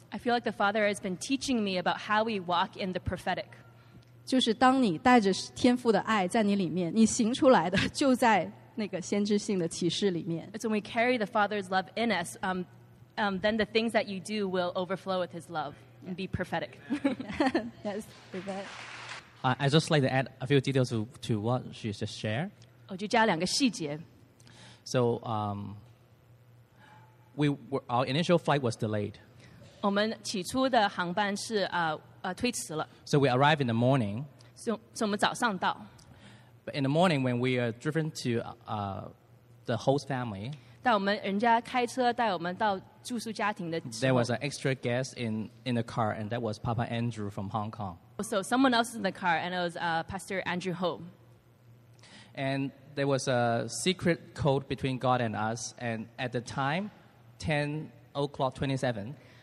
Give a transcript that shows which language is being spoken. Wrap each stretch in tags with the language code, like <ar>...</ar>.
<en>I feel like the Father has been teaching me about how we walk in the prophetic.</en> <zh>就是当你带着天父的爱在你里面，你行出来的就在那个先知性的启示里面。</zh> <en>It's when we carry the Father's love in us, then the things that you do will overflow with His love. And be prophetic. Yes, prophetic. I just like to add a few details to what she just shared.</en> <zh>我就加两个细节.</zh> <en>So, our initial flight was delayed.</en> <zh>我们起初的航班是 推迟了.</zh> <en>So we arrived in the morning.</en> <zh>So 我们早上到.</zh> <en>But in the morning, when we are driven to the host family.</en> <zh>带我们人家开车带我们到住宿家庭的时候,</zh> <en>there was an extra guest in the car, and that was Papa Andrew from Hong Kong. So someone else in the car, and it was Pastor Andrew Ho. And there was a secret code between God and us, and at the time, 10:27.</en>